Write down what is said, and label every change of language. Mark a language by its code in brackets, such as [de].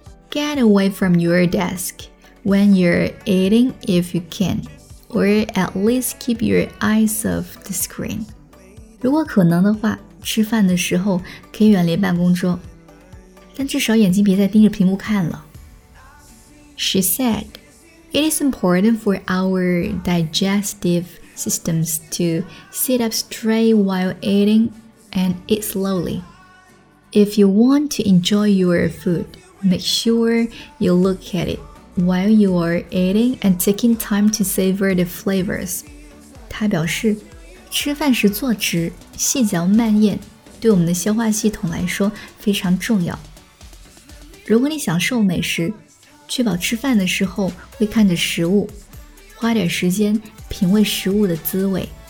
[en] Get away from your desk when you're eating if you can, or at least keep your eyes off the screen. [zh] 如果可能的话，吃饭的时候可以远离办公桌，但至少眼睛别再盯着屏幕看了。 [en] She said,It is important for our digestive systems to sit up straight while eating and eat slowly. If you want to enjoy your food, make sure you look at it while you are eating and taking time to savor the flavors. [zh] 他表示，吃饭时坐直，细嚼慢咽，对我们的消化系统来说非常重要。如果你享受美食，确保吃饭的时候会看着食物，花点时间品味食物的滋味。